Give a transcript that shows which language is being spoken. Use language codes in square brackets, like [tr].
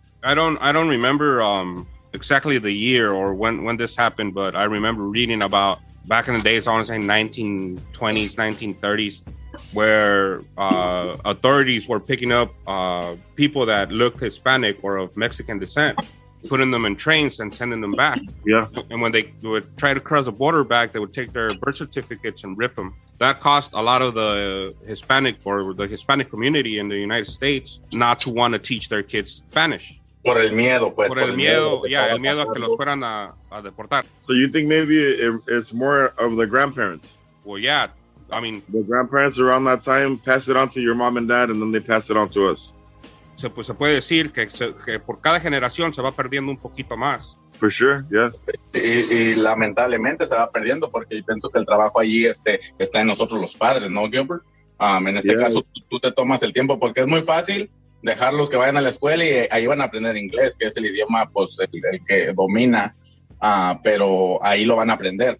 [en] I don't remember exactly the year or when this happened, but I remember reading about back in the days, I want to say 1920s, 1930s, where authorities were picking up people that looked Hispanic or of Mexican descent, putting them in trains and sending them back. Yeah. And when they would try to cross the border back, they would take their birth certificates and rip them. That caused a lot of the Hispanic or the Hispanic community in the United States not to want to teach their kids Spanish. [es] Por el miedo, pues. Por el miedo. Yeah, el miedo a que los fueran a deportar. [en] So you think maybe it's more of the grandparents? Well, yeah. I mean... The grandparents around that time passed it on to your mom and dad, and then they passed it on to us. [es] Se puede decir que por cada generación se va perdiendo un poquito más. [en] For sure, yeah. [es] Y lamentablemente se va perdiendo, porque pienso que el trabajo allí está en nosotros los padres, ¿no, Gilbert? En este caso, tú te tomas el tiempo, porque es muy fácil dejarlos que vayan a la escuela y ahí van a aprender inglés, que es el idioma, pues, el que domina, pero ahí lo van a aprender.